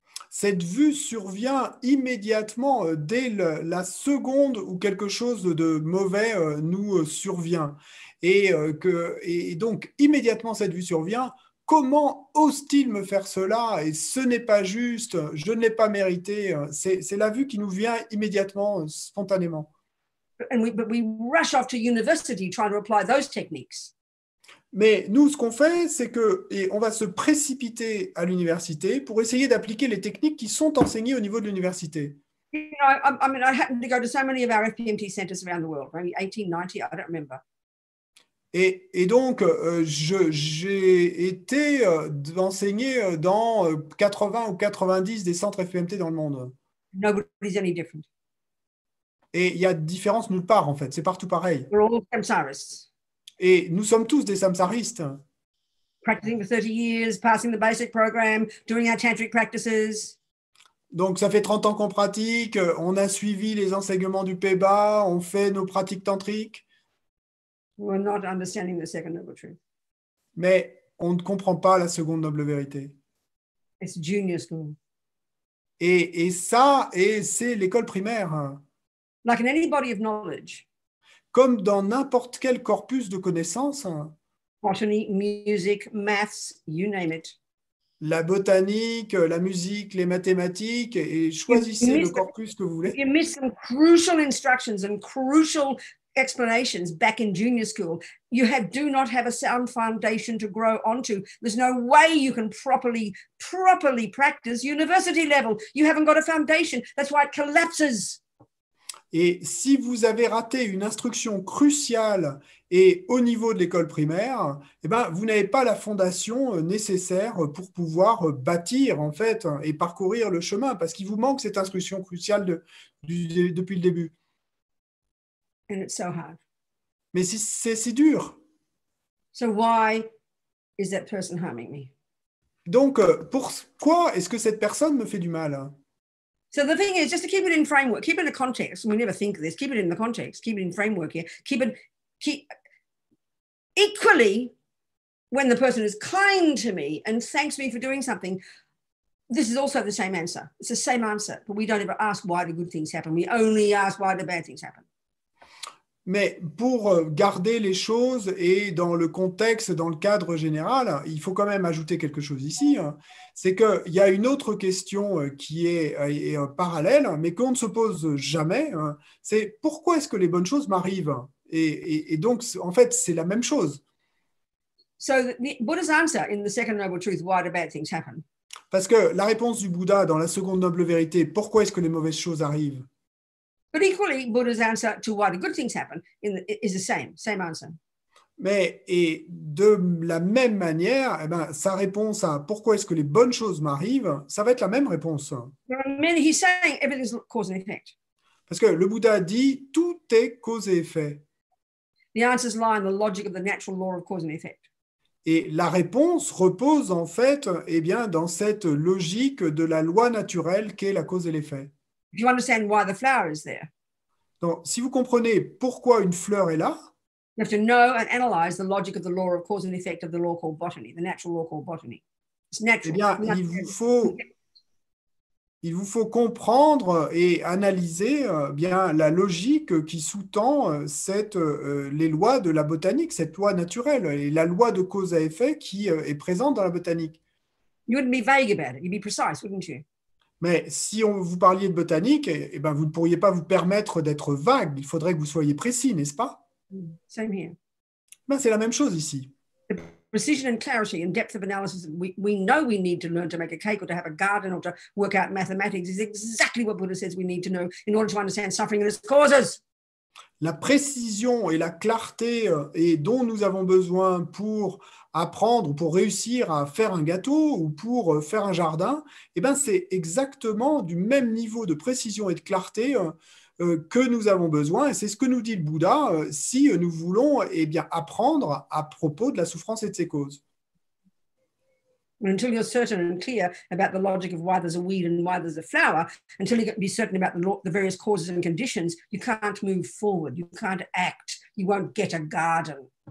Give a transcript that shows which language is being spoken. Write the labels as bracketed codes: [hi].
[fr] Cette vue survient immédiatement dès la seconde où quelque chose de mauvais nous survient. Et donc, immédiatement cette vue survient. Comment ose-t-il me faire cela? Et ce n'est pas juste, je ne l'ai pas mérité. C'est la vue qui nous vient immédiatement, spontanément. [en] And we rush off to university trying to apply those techniques. [fr] Mais nous, ce qu'on fait, c'est que, et on va se précipiter à l'université pour essayer d'appliquer les techniques qui sont enseignées au niveau de l'université. [en] You know, I mean, I happen to go to so many of our FPMT centers around the world, maybe 18, 90, I don't remember. [fr] Et donc, j'ai été enseigné dans 80 ou 90 des centres FPMT dans le monde. [en] Nobody's any different. [fr] Et il y a différence nulle part, en fait. C'est partout pareil. [en] We're all samsarists. [fr] Et nous sommes tous des samsaristes. [en] Practicing for 30 years, passing the basic program, doing our tantric practices. [fr] Donc, ça fait 30 ans qu'on pratique, on a suivi les enseignements du Peba, on fait nos pratiques tantriques. [en] We're not understanding the second noble truth. [fr] Mais on ne comprend pas la seconde noble vérité. [en] It's junior school. [fr] Et ça, et c'est l'école primaire. [en] Like in any body of knowledge. [fr] comme dans n'importe quel corpus de connaissances. [en] Botany, music, maths, you name it. [fr] La botanique, la musique, les mathématiques, et choisissez le corpus que vous voulez. [en] You miss some crucial instructions and crucial explanations back in junior school. You have do not have a sound foundation to grow onto. There's no way you can properly practice university level. You haven't got a foundation. That's why it collapses. [fr] Et si vous avez raté une instruction cruciale et au niveau de l'école primaire, eh ben, vous n'avez pas la fondation nécessaire pour pouvoir bâtir en fait et parcourir le chemin, parce qu'il vous manque cette instruction cruciale depuis le début. [en] And it's so hard. [fr] Mais c'est si dur. [en] So why is that person harming me? [fr] Donc, pourquoi est-ce que cette personne me fait du mal? [en] So the thing is, just to keep it in framework, keep it in the context. We never think of this. Keep it in the context. Keep it in framework here. Equally, when the person is kind to me and thanks me for doing something, this is also the same answer. It's the same answer, but we don't ever ask why the good things happen. We only ask why the bad things happen. [fr] Mais pour garder les choses et dans le contexte, dans le cadre général, il faut quand même ajouter quelque chose ici. C'est qu'il y a une autre question qui est parallèle, mais qu'on ne se pose jamais. C'est pourquoi est-ce que les bonnes choses m'arrivent? Et donc, en fait, c'est la même chose. [en] So the Buddha's answer in the second noble truth, why do bad things happen? [fr] Parce que la réponse du Bouddha dans la seconde noble vérité, pourquoi est-ce que les mauvaises choses arrivent? [en] But equally, Buddha's answer to why the good things happen is the same answer. [fr] Mais et de la même manière, eh ben, sa réponse à pourquoi est-ce que les bonnes choses m'arrivent, ça va être la même réponse. [en] Mais he's saying everything's cause and effect. [fr] Parce que le Bouddha dit tout est cause et effet. [en] The answers lie in the logic of the natural law of cause and effect. [fr] Et la réponse repose en fait, eh bien, dans cette logique de la loi naturelle qu'est la cause et l'effet. [en] If you understand why the flower is there. [fr] Donc, si vous comprenez pourquoi une fleur est là, [en] you have to know and analyze the logic of the law of cause and effect of the law called botany, the natural law called botany. It's natural. [fr] Eh bien, il vous faut comprendre et analyser bien la logique qui sous-tend les lois de la botanique, cette loi naturelle et la loi de cause à effet qui est présente dans la botanique. [en] You wouldn't be vague about it. You'd be precise, wouldn't you? [fr] Mais si vous parliez de botanique, eh ben vous ne pourriez pas vous permettre d'être vague. Il faudrait que vous soyez précis, n'est-ce pas? [en] Same here. [fr] Ben c'est la même chose ici. [en] The precision and clarity and depth of analysis we know we need to learn to make a cake or to have a garden or to work out mathematics is exactly what Buddha says we need to know in order to understand suffering and its causes. [fr] La précision et la clarté et dont nous avons besoin pour apprendre, pour réussir à faire un gâteau ou pour faire un jardin, eh ben c'est exactement du même niveau de précision et de clarté que nous avons besoin. Et c'est ce que nous dit le Bouddha si nous voulons eh bien, apprendre à propos de la souffrance et de ses causes. [en] Until you're certain and clear about the logic of why there's a weed and why there's a flower, until you be certain about the various causes and conditions, you can't move forward, you can't act, you won't get a garden.